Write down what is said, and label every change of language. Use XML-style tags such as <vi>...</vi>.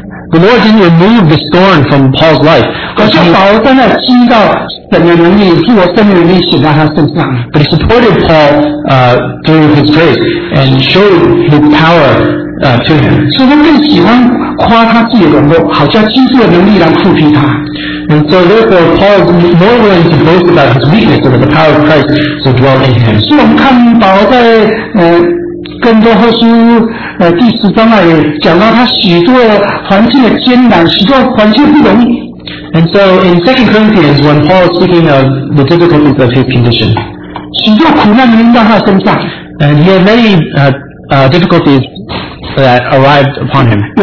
<en>The Lord didn't remove this thorn from Paul's life. But he supported Paul through his grace and showed his power to him.</en> <zh>所以他更喜欢夸他自己的软弱，好像基督的能力来护庇他。</zh> <en>And so therefore, Paul is more willing to boast about his weakness than the power of Christ to dwell in him.</en> <zh>所以我们看保罗在 更多后书第十章那里讲到他许多环境的艰难，许多环境不容易。</zh> <en>And so in 2 Corinthians, when Paul is speaking of the difficulties of his condition,</en> <zh>许多苦难临到他身上。</zh> <en>And he had many difficulties that arrived upon him.</en>